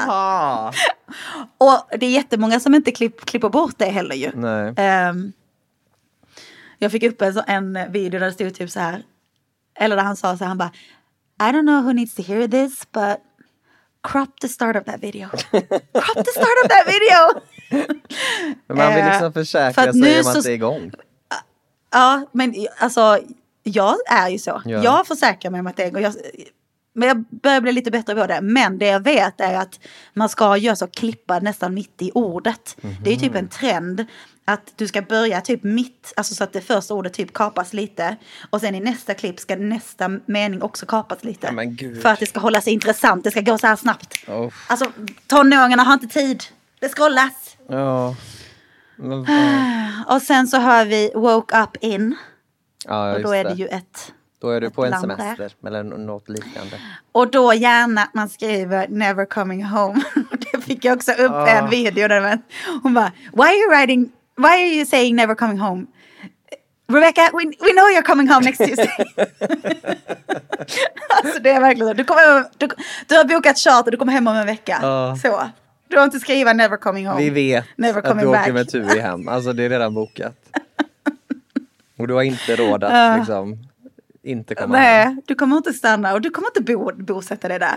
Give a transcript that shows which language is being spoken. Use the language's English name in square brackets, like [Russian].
[Swedish] Aha. Och det är jättemånga som inte klipper bort det heller ju. Nej. Jag fick upp en video där det stod typ så här, eller där han sa så här, han bara, [English] I don't know who needs to hear this, but crop the start of that video. Crop the start of that video! [Swedish] Men man vill liksom försäkra att sig om så... att det är igång. Ja, men alltså... Jag är ju så. Ja. Jag försäkrar mig om att det är... Men jag börjar bli lite bättre på det. Men det jag vet är att man ska göra så klippa nästan mitt i ordet. Mm-hmm. Det är ju typ en trend att du ska börja typ mitt... Alltså så att det första ordet typ kapas lite. Och sen i nästa klipp ska nästa mening också kapas lite. Ja, men gud. För att det ska hålla sig intressant. Det ska gå så här snabbt. Oh. Alltså, tonåringarna har inte tid. Det scrollas. Ja. Och sen så hör vi [English] woke up in... [Swedish] Ja, och då är det ju ett då är du på en semester här. Eller något liknande. Och då gärna man skriver [English] never coming home. [Swedish] Det fick jag också upp en video där man, hon bara, [English] why are you saying never coming home? Rebecca, we know you're coming home next Tuesday. [Swedish] Alltså det är verkligen så. Du har bokat charter, du kommer hem om en vecka. Så. Du har inte skriva [English] never coming home. [Swedish] Vi vet. [English] Never coming back. [Swedish] Du åker med Tui hem. Alltså det är redan bokat. Och du har inte råd att liksom, inte komma hem. Nej, du kommer inte stanna och du kommer inte bosätta dig där.